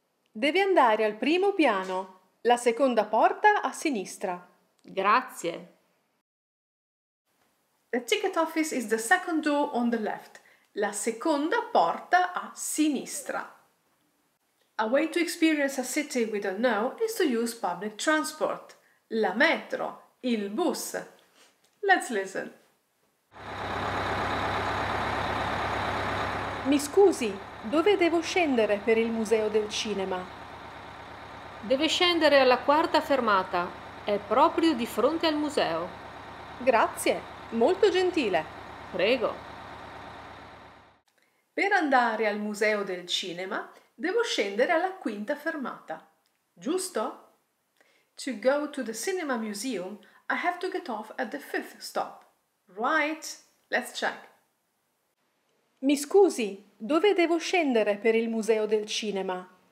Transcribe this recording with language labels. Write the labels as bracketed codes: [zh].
[it] Devi andare al primo piano, la seconda porta a sinistra. Grazie. [en] The ticket office is the second door on the left. [it] La seconda porta a sinistra. [en] A way to experience a city we don't know is to use public transport. [it] La metro, il bus. [en] Let's listen. [it] Mi scusi, dove devo scendere per il museo del cinema? Deve scendere alla quarta fermata. È proprio di fronte al museo. Grazie, molto gentile. Prego. Per andare al museo del cinema, devo scendere alla quinta fermata. Giusto? [en] To go to the cinema museum, I have to get off at the fifth stop. Right? Let's check. [it] Mi scusi, dove devo scendere per il museo del cinema?